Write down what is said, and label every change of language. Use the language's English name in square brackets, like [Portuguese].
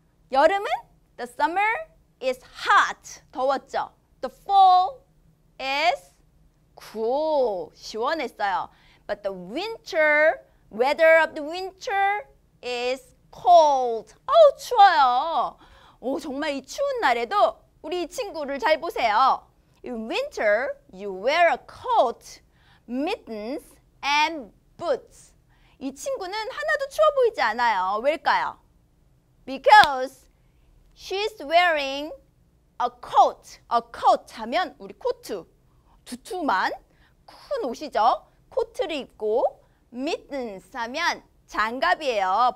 [Korean] 여름은 [English] the summer is hot. [Korean] 더웠죠. [English] The fall is cool. [Korean] 시원했어요. [English] But the winter, weather of the winter is cold. [Korean] 추워요. 정말 이 추운 날에도 우리 이 친구를 잘 보세요. [English] In winter, you wear a coat, mittens, and boots. [Korean] 이 친구는 하나도 추워 보이지 않아요. 왜일까요? [English] Because she's wearing a coat. A coat [Korean] 하면 우리 코트. 두툼한 큰 옷이죠. 코트를 입고 mittens 하면 장갑이에요.